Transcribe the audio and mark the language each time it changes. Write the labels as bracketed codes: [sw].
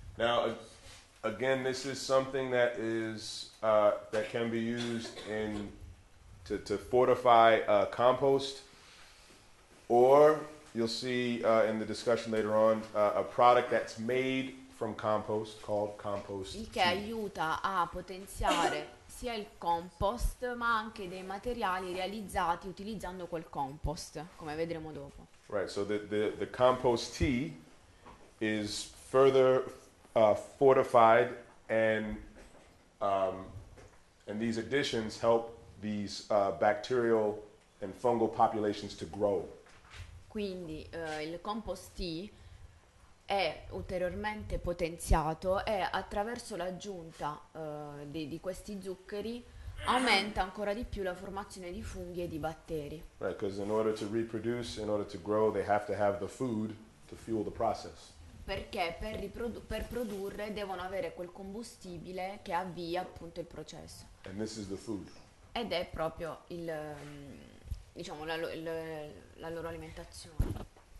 [en] Now, again, this is something that is that can be used in to fortify compost, or you'll see in the discussion later on a product that's made from compost called compost. [it] Il che aiuta a potenziare sia il compost ma anche dei materiali realizzati utilizzando quel compost, come vedremo dopo. [en] Right, so the compost tea is further fortified, and these additions help these bacterial and fungal populations to grow. [it] Quindi il compost tea è ulteriormente potenziato e attraverso l'aggiunta di questi zuccheri aumenta ancora di più la formazione di funghi e di batteri. [en] Right, because in order to reproduce, in order to grow, they have to have the food to fuel the process. [it] Perché per produrre devono avere quel combustibile che avvia appunto il processo. [en] And this is the food. [it] Ed è proprio il diciamo la loro alimentazione.